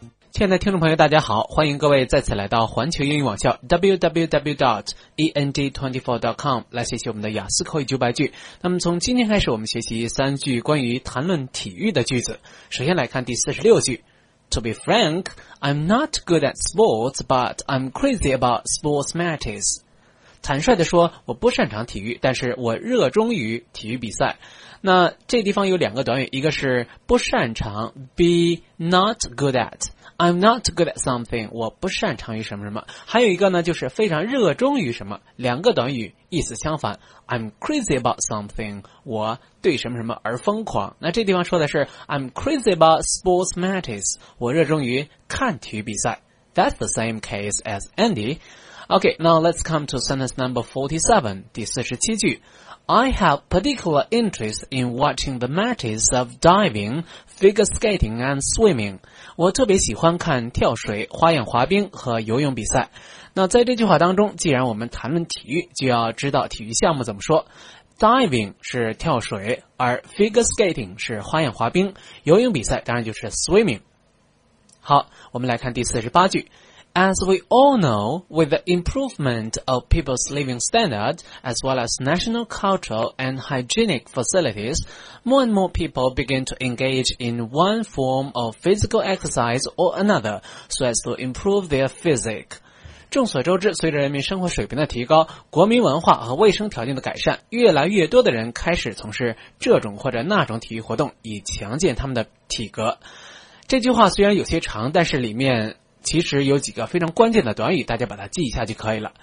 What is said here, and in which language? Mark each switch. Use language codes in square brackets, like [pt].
[zh] 亲爱的听众朋友大家好，欢迎各位再次来到环球英语网校 www.end24.com 来学习我们的雅思口语九百句。那么从今天开始，我们学习三句关于谈论体育的句子。首先来看第46句， [en] To be frank, I'm not good at sports, but I'm crazy about sports matches. [zh] 坦率地说，我不擅长体育，但是我热衷于体育比赛。那这地方有两个短语，一个是不擅长， [en] be not good at,I'm not good at something, [zh] 我不擅长于什么什么。还有一个呢，就是非常热衷于什么，两个短语意思相反， [en] I'm crazy about something, [zh] 我对什么什么而疯狂。那这地方说的是 [en] I'm crazy about sports matches, [zh] 我热衷于看体育比赛。 [en] That's the same case as Andy. Okay, now let's come to sentence number 47, [zh] 第47句。 [en] I have particular interest in watching the matches of diving, figure skating and swimming. [zh] 我特别喜欢看跳水、花样滑冰和游泳比赛。那在这句话当中，既然我们谈论体育，就要知道体育项目怎么说。 Diving 是跳水，而 figure skating 是花样滑冰，游泳比赛当然就是 swimming。好，我们来看第48句。 [en] As we all know, with the improvement of people's living standard, as well as national cultural and hygienic facilities, more and more people begin to engage in one form of physical exercise or another, so as to improve their physique. [zh] 众所周知，随着人民生活水平的提高，国民文化和卫生条件的改善，越来越多的人开始从事这种或者那种体育活动，以强健他们的体格。这句话虽然有些长，但是里面其实有几个非常关键的短语，大家把它记一下就可以了。